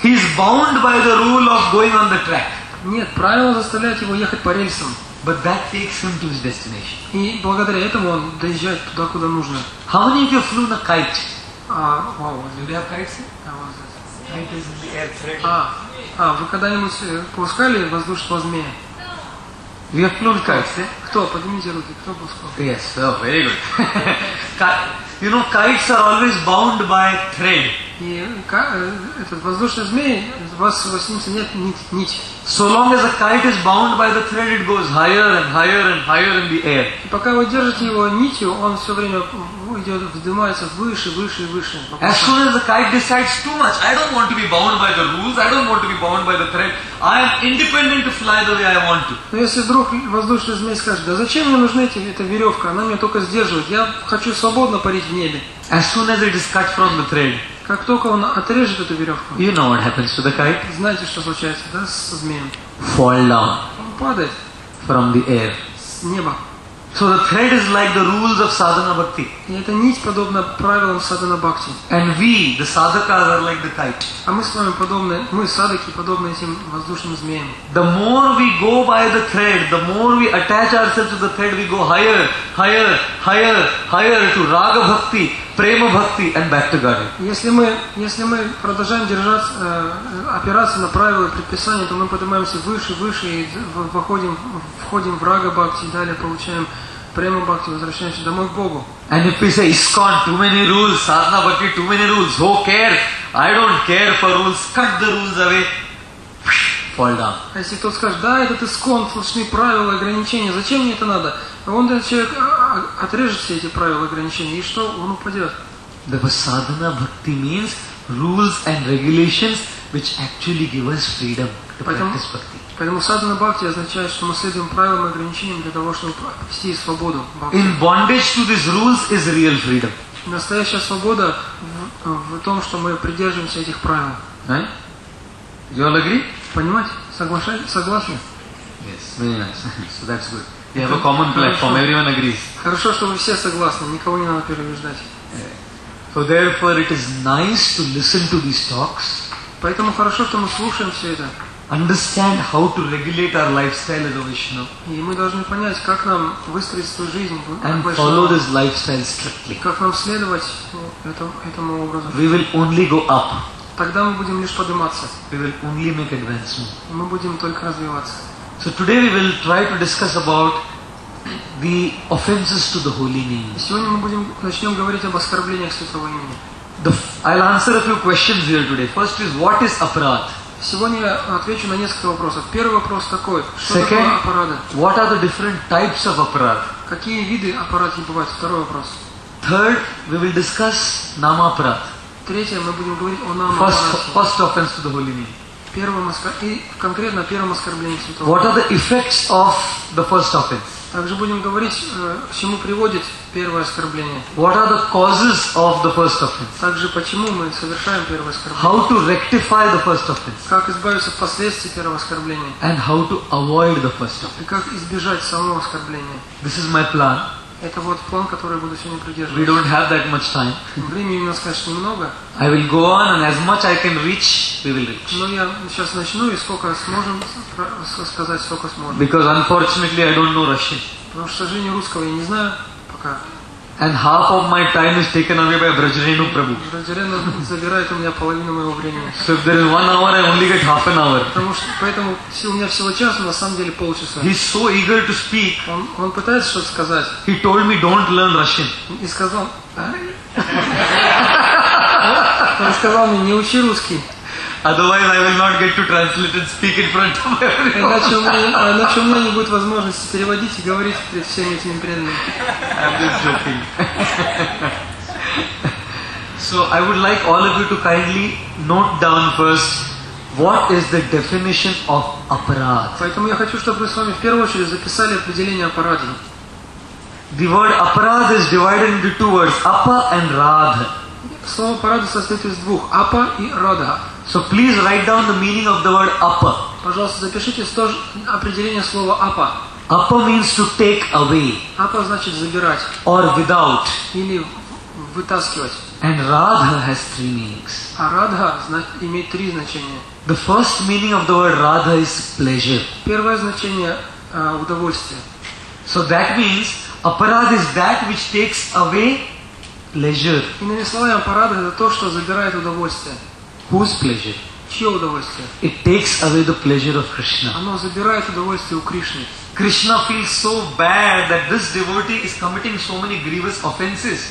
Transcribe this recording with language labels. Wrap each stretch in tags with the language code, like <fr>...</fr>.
<en>He is bound by the rule of going on the track.</en> <ru>Нет, правила заставляют его ехать по рельсам.</ru> <en>But that takes him to his destination.</en> <ru>И благодаря этому он доезжает туда, куда нужно.</ru> <en>How many of you flew</en> <ru>на</ru> <en>kite?</en> <ru>Вы когда-нибудь пускали воздушного змея? Вы пускали? Кто? Поднимите руки. Кто пускал?</ru> <en>Yes, oh, very good. You know, kites are always bound by thread.</en> <ru>И этот воздушный змей, вас нет нить.</ru> <en>So long as a kite is bound by the thread, it goes higher and higher and higher in the air.</en> <ru>И пока вы держите его нитью, он все время идет, вздымается выше, выше и выше.</ru> <en>As soon as the kite decides too much, I don't want to be bound by the rules, I don't want to be bound by the thread, I am independent to fly the way I want to.</en> <ru>Но если вдруг воздушный змей скажет, да зачем мне нужна эта веревка, она меня только сдерживает, я хочу свободно парить в небе.</ru> <en>As soon as it is cut from the thread.</en> <ru>Как только он отрежет эту веревку.</ru> <en>You know what happens to the kite.</en> <ru>Знаете, что случается, да, со змеем?</ru> <en>Fall down.</en> <ru>Он падает.</ru> <en>From the air.</en> <ru>С неба.</ru> <en>So the thread is like the rules of sadhana bhakti.</en> <ru>И эта нить подобна правилам sadhana bhakti.</ru> <en>And we, the sadhakas, are like the kite.</en> <ru>А мы с вами подобны, мы садаки подобны этим воздушным змеям.</ru> <en>The more we go by the thread, the more we attach ourselves to the thread, we go higher, higher, higher, higher to raga bhakti, prema bhakti, and back to God.</en> <ru>Если мы продолжаем опираться на правила и предписания, то мы поднимаемся выше, выше и входим в рага бхакти, далее получаем према бхакти, возвращаемся домой к Богу.</ru> <en>And if we say, ISKCON, too many rules, sadhana bhakti, too many rules, who cares? I don't care for rules, cut the rules away, fall down.</en> <ru>А если кто скажет, да, этот ISKCON, сплошные правила, ограничения, зачем мне это надо? Он, этот человек, отрежет все эти правила, ограничения, и что? Он упадет.</ru> <en>Because sadhana bhakti means rules and regulations, which actually give us freedom to practice bhakti.</en> <ru>Поэтому садхана бхакти означает, что мы следуем правилам и ограничениям для того, чтобы обрести свободу. Бхакти.</ru> <en>In bondage to these rules is real freedom.</en> <ru>Настоящая свобода в том, что мы придерживаемся этих правил.</ru> <en>Right? You all agree?</en> <ru>Понимаете? Согласны?</ru> <en>Yes, very nice. So that's good. We have a common platform. Everyone agrees.</en> <ru>Хорошо, что вы все согласны. Никого не надо переубеждать.</ru> <en>So therefore, it is nice to listen to these talks.</en> <ru>Поэтому хорошо, что мы слушаем все это.</ru> <en>Understand how to regulate our lifestyle as a Vaishnava.</en> <ru>И мы должны понять, как нам выстроить свою жизнь.</ru> <en>And follow this lifestyle strictly.</en> <ru>Как нам следовать этому образу?</ru> <en>We will only go up.</en> <ru>Тогда мы будем лишь подниматься.</ru> <en>We will only make advancement.</en> <ru>Мы будем только развиваться.</ru> <en>So today we will try to discuss about the offenses to the holy name.</en> <ru>Сегодня мы начнем говорить об оскорблениях святого имени.</ru> <en>I'll answer a few questions here today. First is, what is apraat?</en> <ru>Сегодня я отвечу на несколько вопросов. Первый вопрос такой. Что</ru> <en>Second,</en> <ru>такое аппарата?</ru> <en>What are the different types of аппарат?</en> <ru>Какие виды аппаратов бывают? Второй вопрос.</ru> <en>Third, we will discuss намаппарат.</en> <ru>Третье, мы будем говорить о намаппарате.</ru> <en>First offense to the Holy Name.</en> <ru>Первым и конкретно первым оскорблением святого.</ru> <en>What are the effects of the first offense?</en> <ru>Также будем говорить, к чему приводит первое оскорбление.</ru> <en>What are the causes of the first offense?</en> <ru>Также почему мы совершаем первое оскорбление.</ru> <en>How to rectify the first offense?</en> <ru>Как избавиться от последствий первого оскорбления.</ru> <en>And how to avoid the first offense?</en> <ru>И как избежать самого оскорбления.</ru> <en>This is my plan.</en> <ru>Это вот план, который я буду сегодня придерживаться.</ru> <en>We don't have that much time.</en> <ru>Времени у нас, конечно, немного.</ru> <en>I will go on and as much I can reach, we will reach.</en> <ru>Но я сейчас начну и сколько сможем сказать, сколько сможем.</ru> <en>Because unfortunately I don't know Russian.</en> <ru>Потому что, к сожалению, русского я не знаю пока.</ru> <en>And half of my time is taken away by Brajarenu Prabhu.</en> <ru>Брожерену забирает у меня половину моего времени.</ru> <en>So if there is 1 hour, I only get half an hour.</en> <ru>Потому что поэтому у меня всего час, но на самом деле полчаса.</ru> <en>He's so eager to speak.</en> <ru>Он пытается что-то сказать.</ru> <en>He told me don't learn Russian.</en> <ru>И сказал. Он сказал мне не учи русский.</ru> <en>Otherwise, I will not get to translate and speak in front of everyone.</en> <ru>Иначе у меня не будет возможности переводить и говорить перед всеми этими преданными.</ru> <en>I'm just joking. So, I would like all of you to kindly note down first, what is the definition of apparat?</en> <ru>Поэтому я хочу, чтобы вы с вами в первую очередь записали определение аппарата.</ru> <en>The word apparat is divided into two words, apa and radha.</en> <ru>Слово аппарат состоит из двух, апа и радха.</ru> <en>So please write down the meaning of the word apa.</en> <ru>Пожалуйста, запишите тоже определение слова apa.</ru> <en>Apa means to take away.</en> <ru>Apa значит забирать.</ru> <en>Or without.</en> <ru>Или вытаскивать.</ru> <en>And radha has three meanings.</en> <ru>А радха имеет три значения.</ru> <en>The first meaning of the word radha is pleasure.</en> <ru>Первое значение удовольствие.</ru> <en>So that means aparad is that which takes away pleasure.</en> <ru>Иными словами, aparad это то, что забирает удовольствие.</ru> <en>Whose pleasure?</en> <ru>Чье удовольствие?</ru> <en>It takes away the pleasure of Krishna.</en> <ru>Оно забирает удовольствие у Кришны.</ru> <en>Krishna feels so bad that this devotee is committing so many grievous offenses.</en>